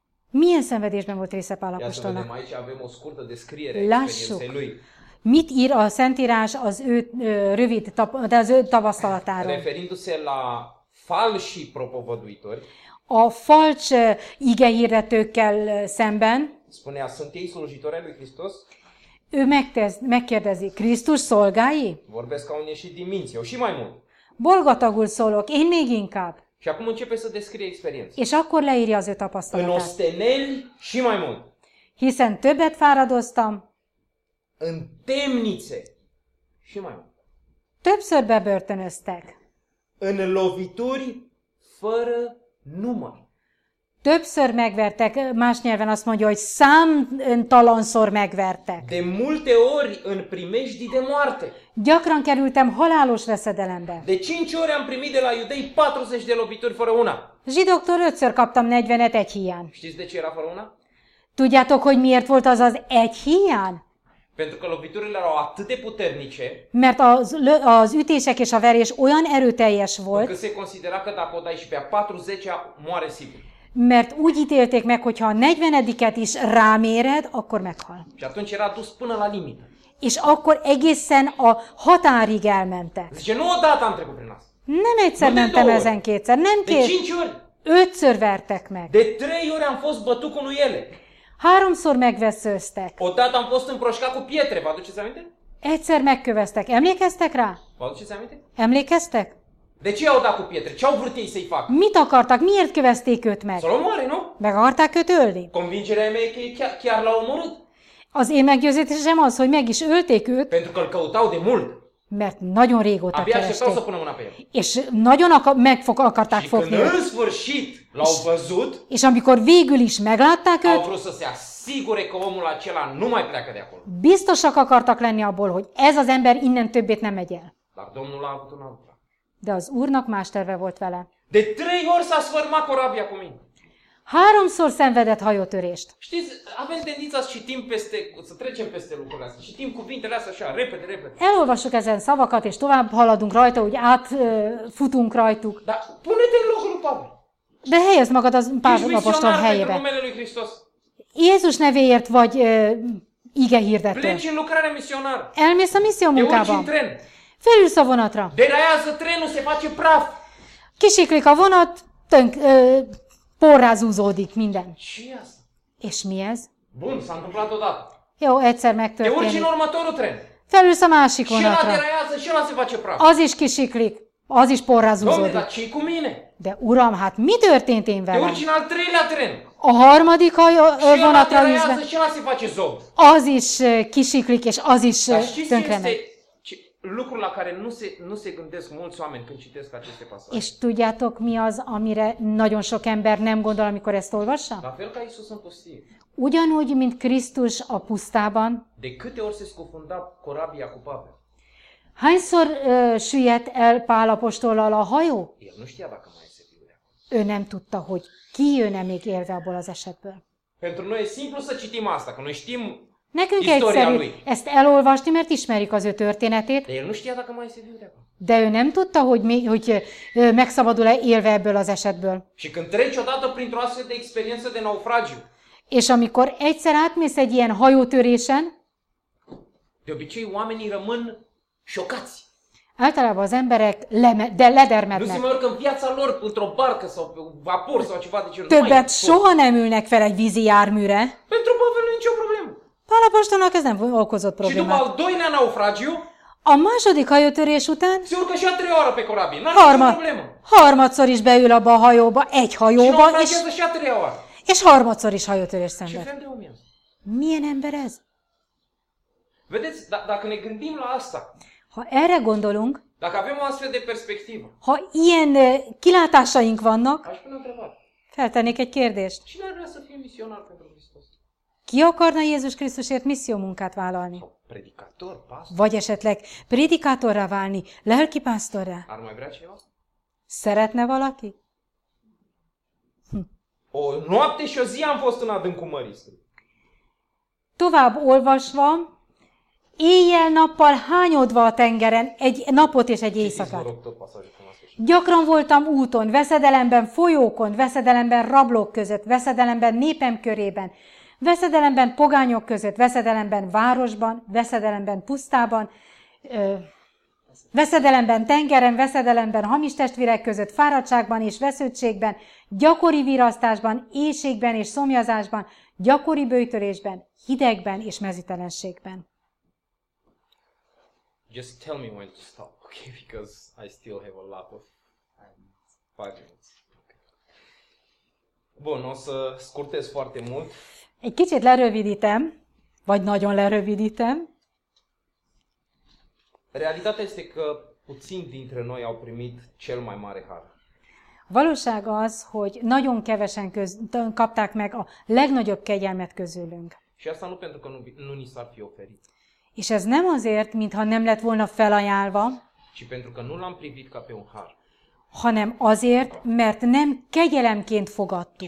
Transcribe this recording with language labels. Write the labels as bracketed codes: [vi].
[hu] Milyen szenvedésben volt része Pál apostolnak? Lássuk, mit ír a Szentírás az ő rövid, de az ő tapasztalatáról. [ro] Referindu-se la falsi propovăduitori, [hu] a falcs igehirdetőkkel szemben, [ro] spunea, sunt ei slujitori ai lui Hristos? [hu] Ő megkérdezi, Krisztus szolgái? [ro] Vorbesc ca un ieșit din minți, eu și mai mult. [hu] Bolgatagul szólok, én még inkább. [ro] Și acum începe să descrie experiența. [hu] És akkor leírja az ő tapasztalatát. [ro] În osteneli și mai mult. [hu] Hiszen többet fáradoztam. [ro] În temnițe și mai mult. [hu] Többször bebörtönöztek. [ro] În lovituri fără număr. [hu] Többször megvertek, más nyelven azt mondja, hogy számtalanszor megvertek. [ro] De multe ori în primejdii de moarte. [hu] Gyakran kerültem halálos veszedelembe. [ro] De 5 ori am primit de la iudei 40 de lovituri fără una. [hu] Zsidóktól 5-ször kaptam 40-et egy hián. [ro] Știți de ce era fără una? [hu] Tudjátok, hogy miért volt az az egy hián? [ro] Pentru că loviturile erau atât de puternice. [hu] Mert az ütések és a verés olyan erőteljes volt. [ro] Că se considera că dacă o dai și pe a 40-a, moare sigur. [hu] Mert úgy ítélték meg, hogyha a 40-et is ráméred, akkor meghal. [ro] Și atunci era dus până la limită. [hu] És akkor egészen a határig elmentek. [ro] Zice, nu odată am trecut prin asta. [hu] Nem egyszer mentem ezen kétszer. Nem kétszer. [ro] De 5 ori. [hu] 5-ször vertek meg. [ro] De 3 ori am fost bătut cu nuiele. [hu] 3-szor megveszőztek. [ro] Odată am fost împroșcat cu pietre. Vă aduceți aminte? [hu] Egyszer megköveztek. Emlékeztek rá? [ro] Vă aduceți aminte? [hu] Emlékeztek? [ro] De ce i-au dat cu pietre? Ce au vrut ei să-i facă? [hu] Mit akartak? Miért kövezték őt meg? [ro] Să-l omoare, nu? [hu] Meg akarták őt ölni? [ro] Convingerea mea e că chiar l-au omorât? [hu] Az én meggyőzésem az, hogy meg is ölték őt. [ro] Pentru că îl căutau de mult. [hu] Mert nagyon régóta abia keresték. [ro] Abia așteptau să pună mâna pe el. [hu] És nagyon akarták fogni őt. [ro] Și când în sfârșit l-au văzut, [hu] és amikor végül is meglátták őt, [ro] au vrut să se Sigure că omul acela nu mai pleacă de acolo. [hu] Biztosak akartak lenni abból, hogy ez az ember innen többet nem megy el. [ro] Dar Domnul a avut un alt plan. [hu] De az Úrnak más terve volt vele. [ro] De 3 ori s-a sfârmat corabia cu mine. [hu] 3-szor szenvedett hajótörést. [ro] Știți, avem tendința să citim peste, să trecem peste lucrurile astea. Citim cuvintele astea așa, repede, repede. [hu] Elolvassuk ezen szavakat, és tovább haladunk rajta, hogy átfutunk rajtuk. [ro] Dar pune-te în locul lui Pavel. [hu] De helyezd magad az Pavel apostol helyébe. [ro] Ești misionar pentru numele lui Hristos. [hu] Jézus nevéért vagy ige hirdető. [ro] Pleci în lucrare misionar. [hu] Elmész a misszió munkába. [ro] De urci în tren. [hu] Felülsz a vonatra. [ro] Deraiază trenul, se face praf. [hu] Kisiklik a vonat, tönk, porrá zúzódik minden. [ro] Și ez? [hu] És mi ez? [ro] Bun, s-a întâmplat odată. [hu] Jó, egyszer megtörténik. [ro] De urci în următorul tren. [hu] Felülsz a másik vonatra. [ro] Și ala deraiază, și ala se face praf. [hu] Az is kisiklik, az is porrá zúzódik. [ro] Domnul, dar ce-i cu mine? [hu] De uram, hát mi történt én velem? [ro] De urci în al treilea tren. [hu] A harmadik vonatra üzve. Az is kisiklik, és az is tönkre megy. [ro] Lucru la care nu se gândesc mulți oameni când citesc aceste pasaje. [hu] És tudjátok mi az, amire nagyon sok ember nem gondol, amikor ezt olvassa? [ro] La fel ca Iisus în pustie. [hu] Ugyanúgy, mint Krisztus a pusztában. [ro] De câte ori se scufunda corabia cu Pavel? [hu] Hányszor süllyedt el Pál apostollal a hajó? [ro] El nu știa dacă mai este vivre. [hu] Ő nem tudta, hogy ki jön-e még élve abból az esetből. [ro] Pentru noi e simplu să citim asta, că noi știm. [hu] Nekünk egyszerű ezt elolvasni, mert ismerik az ő történetét. [ro] De, nu știa, dacă mai este vivre. [hu] De ő nem tudta, hogy megszabadul-e élve ebből az esetből. [ro] Și când treci odată printr-o astfel de experiență de naufragiu. [hu] És amikor egyszer átmész egy ilyen hajótörésen. [ro] De obicei oamenii rămân șocați. [hu] Általában az emberek ledermednek. [ro] Nu se mai urcă în viața lor într-o barcă sau pe un vapor sau ceva de genul. [hu] Többet soha nem ülnek fel egy vízi járműre. [ro] Pentru Pavel [hu] nincs [ro] o problemă. [hu] Pál apostolnak ez nem okozott problémát. [ro] Și după al doilea naufragiu. [hu] A második hajótörés után. [ro] Se urcă și a treia oară pe corabie. N-a harmad, problemă. [hu] Harmadszor is beül abba a hajóba, egy hajóba. [ro] Și naufragiază și a treia oară. [hu] És harmadszor is hajótörés szenved. [ro] Ce fel de om [hu] ez? Milyen ember ez? [ro] Vedeți, dacă ne gândim la asta. [hu] Ha erre gondolunk, [ro] dacă avem o astfel de perspectivă, [hu] ha ilyen kilátásaink vannak, [ro] aș pune întrebat. [hu] Feltennék egy kérdést. [ro] Cine ar vrea să fie misionar pentru Hristos? [hu] Ki akarna Jézus Krisztusért misszió munkát vállalni? A predikátor, pásztor? Vagy esetleg predikátorra válni, lelki pásztorra? [ro] Ar mai vrea ceva? [hu] Szeretne valaki? [ro] O noapte și o zi am fost în adâncul mării. [hu] Tovább olvasva, éjjel-nappal hányodva a tengeren, egy napot és egy éjszakát. Gyakran voltam úton, veszedelemben folyókon, veszedelemben rablók között, veszedelemben népem körében, veszedelemben pogányok között, veszedelemben városban, veszedelemben pusztában, veszedelemben tengeren, veszedelemben hamis testvérek között, fáradtságban és vesződtségben, gyakori virasztásban, éjségben és szomjazásban, gyakori bőjtörésben, hidegben és mezítelenségben. [en] Just tell me when to stop, okay? Because I still have a lot of time. 5 minutes. Okay. [ro] Bun, o să scurtez foarte mult. [hu] Egy kicsit lerövidítem, vagy nagyon lerövidítem. [ro] Realitatea este că puțin dintre noi au primit cel mai mare har. [hu] Valóság az, hogy nagyon kevesen kapták meg a legnagyobb kegyelmet közülünk. [ro] Și asta nu pentru că nu ni s-ar fi oferit. [hu] És ez nem azért, mintha nem lett volna felajánlva, [ro] ci pentru că nu l-am privit ca pe un har, [hu] hanem azért, mert nem kegyelemként fogadtuk,